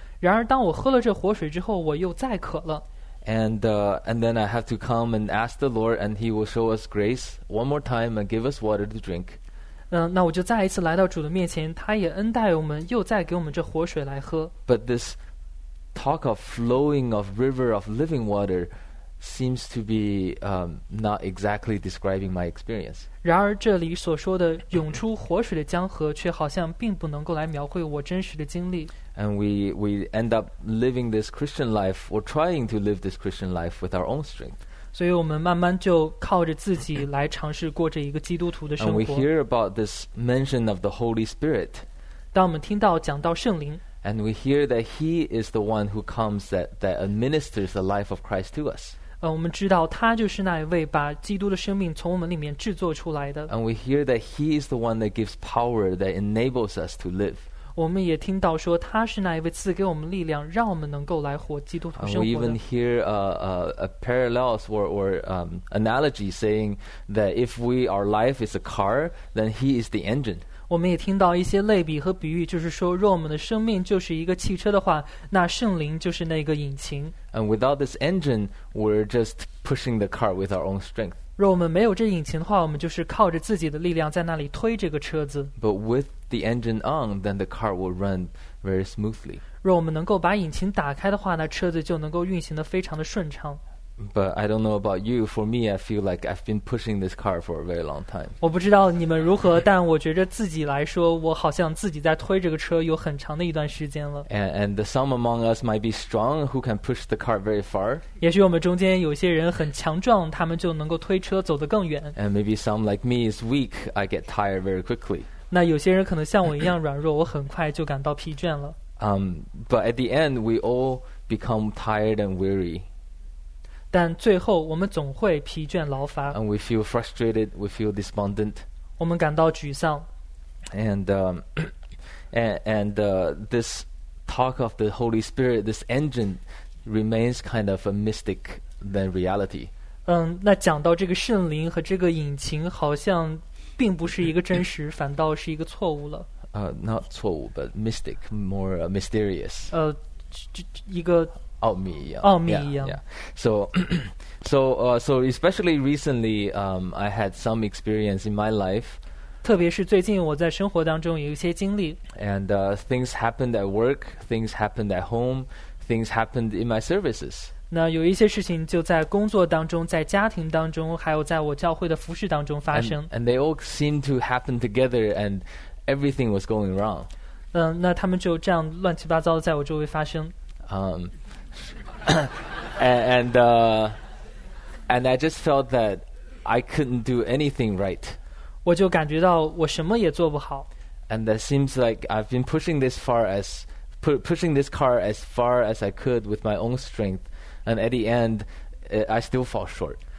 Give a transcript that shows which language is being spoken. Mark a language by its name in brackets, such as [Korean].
[Chinese] 然而当我喝了这活水之后，我又再渴了。 [English] And then I have to come and ask the Lord, and He will show us grace one more time and give us water to drink. [Chinese] 那我就再一次来到主的面前，他也恩待我们，又再给我们这活水来喝。 [English] But this talk of flowing of river of living water seems to be not exactly describing my experience. [Chinese] 然而这里所说的涌出活水的江河却好像并不能够来描绘我真实的经历。 [English] And we end up living this Christian life or trying to live this Christian life with our own strength. [Chinese] 所以我们慢慢就靠着自己来尝试过着一个基督徒的生活。 [English] And we hear about this mention of the Holy Spirit. [Chinese] 当我们听到讲到圣灵， [English] And we hear that He is the one who comes that administers the life of Christ to us. [Chinese] 我们知道他就是那一位把基督的生命从我们里面制作出来的。 [English] And we hear that He is the one that gives power that enables us to live. [Chinese] 我们也听到说他是那一位赐给我们力量，让我们能够来活基督徒生活的。 [English] And we even hear a parallels or analogy saying that if we our life is a car, then He is the engine. [Chinese] 我们也听到一些类比和比喻，就是说，若我们的生命就是一个汽车的话，那圣灵就是那个引擎。 [English] And without this engine, we're just pushing the car with our own strength. [Chinese] 若我们没有这引擎的话，我们就是靠着自己的力量在那里推这个车子。 [English] But with the engine on, then the car will run very smoothly. [Chinese] 若我们能够把引擎打开的话，那车子就能够运行得非常的顺畅。 [English] But I don't know about you. For me, I feel like I've been pushing this car for a very long time. [Chinese] 我不知道你们如何，但我觉得自己来说，我好像自己在推这个车有很长的一段时间了。 [English] And some among us might be strong who can push the car very far. [Chinese] 也许我们中间有些人很强壮，他们就能够推车走得更远。 [English] And maybe some like me is weak. I get tired very quickly. [Chinese] 那有些人可能像我一样软弱，我很快就感到疲倦了。 [English] But at the end, we all become tired and weary. [Chinese] 但最后我们总会疲倦劳乏。 [English] And we feel frustrated, we feel despondent. [Chinese] 我们感到沮丧。 [English] This talk of the Holy Spirit, this engine, remains kind of a mystic than reality. [Chinese] 那讲到这个圣灵和这个引擎好像并不是一个真实，反倒是一个错误了。 [English] Not [Chinese] 错误 [English] but mystic, more mysterious. [Chinese] 一个奥秘一样，奥秘一样。 [English] So especially recently, I had some experience in my life. [Chinese] 特别是最近我在生活当中有一些经历。 [English] And things happened at work, things happened at home, things happened in my services. [Chinese] 那有一些事情就在工作当中，在家庭当中，还有在我教会的服事当中发生。 [English] And they all seemed to happen together, and everything was going wrong. [Chinese] 那他们就这样乱七八糟的在我周围发生。 [English] And I just felt that I couldn't do anything right. [Chinese] 我就感觉到我什么也做不好。 [English] And that seems like I've been pushing this car as far as I could with my own strength. And at the end, I still fall short.